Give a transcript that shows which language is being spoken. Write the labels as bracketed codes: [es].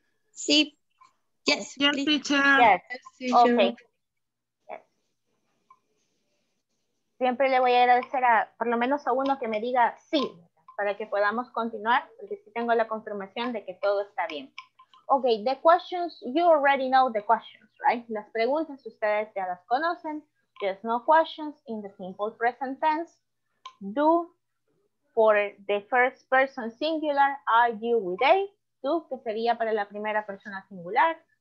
[es] Sí. [en] Yes, yes, teacher. Yes. Yes, teacher. Ok. Yes. [es] Siempre le voy a agradecer a, por lo menos a uno que me diga sí, para que podamos continuar, porque sí tengo la confirmación de que todo está bien. [en] Ok, the questions, you already know the questions, right? [es] Las preguntas ustedes ya las conocen. [en] Just no questions in the simple present tense. Do for the first person singular, are you with they? [es] Tú, que sería para la primera persona singular.